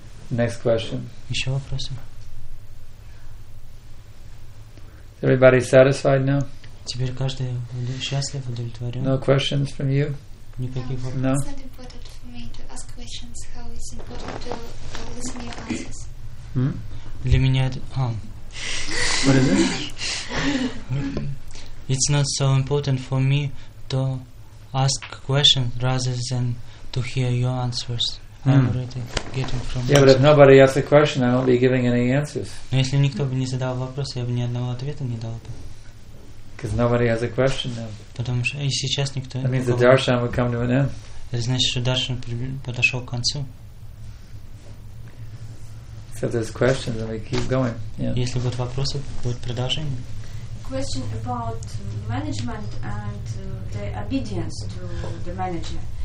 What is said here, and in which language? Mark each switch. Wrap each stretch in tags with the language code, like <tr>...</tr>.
<en>Next question.</en> <ru>Еще вопросы?</ru> <en>Everybody satisfied now?</en> <ru>Теперь каждый счастлив, удовлетворен.</ru> <en>No questions from you?</en> <ru>Никаких вопросов.</ru> <en>No. It's not important for me to ask questions. How is important to listen your answers?</en> <ru>Для меня это.</ru> <en>What is it? It's not so important for me to ask questions rather than to hear your answers. I'm already getting from. Yeah, but if nobody asks a question, I won't be giving any answers.</en> <ru>Но если никто бы не задал вопрос, я бы ни одного ответа не дал бы.</ru> <en>Because nobody has a question now.</en> <ru>Потому что и сейчас никто.</ru> <en>That means the darshan will come to an end.</en> <ru>Это значит, что даршан подошел к концу.</ru> <en>So there's questions, and we keep going. Yeah.</en> <ru>Если будут вопросы, будет продолжение.</ru> <en>Question about management and the obedience to the manager.</en>